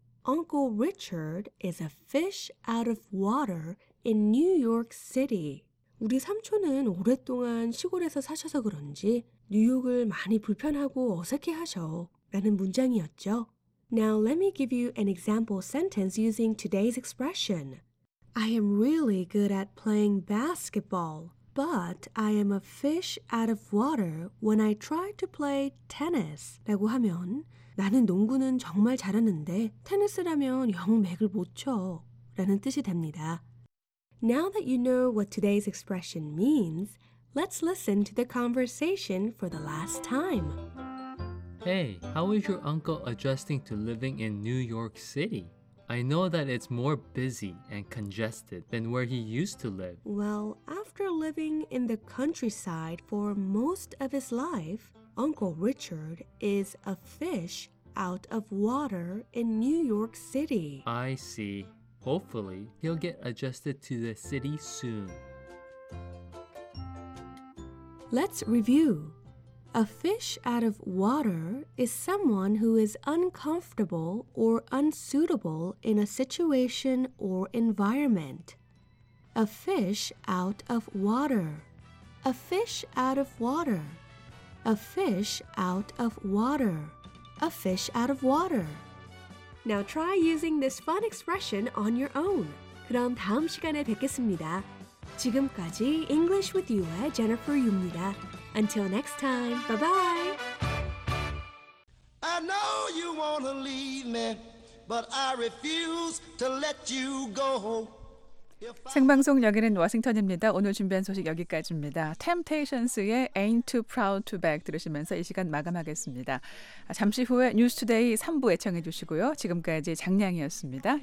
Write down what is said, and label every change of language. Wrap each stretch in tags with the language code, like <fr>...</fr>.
<en>Uncle Richard is a fish out of water in New York City.</en> <ko>우리 삼촌은 오랫동안 시골에서 사셔서 그런지 뉴욕을 많이 불편하고 어색해 하셔 라는 문장이었죠.</ko> <en>Now let me give you an example sentence using today's expression. I am really good at playing basketball, but I am a fish out of water when I try to play tennis. 라고 하면 나는 농구는 정말 잘하는데 테니스라면 영 맥을 못 쳐 라는 뜻이 됩니다. Now that you know what today's expression means, let's listen to the conversation for the last time. Hey, how is your uncle adjusting to living in New York City? I know that it's more busy and congested than where he used to live. Well, after living in the countryside for most of his life, Uncle Richard is a fish out of water in New York City. I see. Hopefully, he'll get adjusted to the city soon. Let's review. A fish out of water is someone who is uncomfortable or unsuitable in a situation or environment. A fish out of water. A fish out of water. A fish out of water. A fish out of water. Now try using this fun expression on your own.</en> <ko>그럼 다음 시간에 뵙겠습니다. 지금까지 English with You의 Jennifer Yu입니다.</ko> <en>Until next time, bye-bye. I know you want to leave me, but I refuse to let you go.</en> <ko>생방송 여기는 워싱턴입니다. 오늘 준비한 소식 여기까지입니다. Temptations의 Ain't Too Proud to Beg 들으시면서 이 시간 마감하겠습니다. 잠시 후에 뉴스 투데이 3부 애청해 주시고요. 지금까지 장량이었습니다.</ko>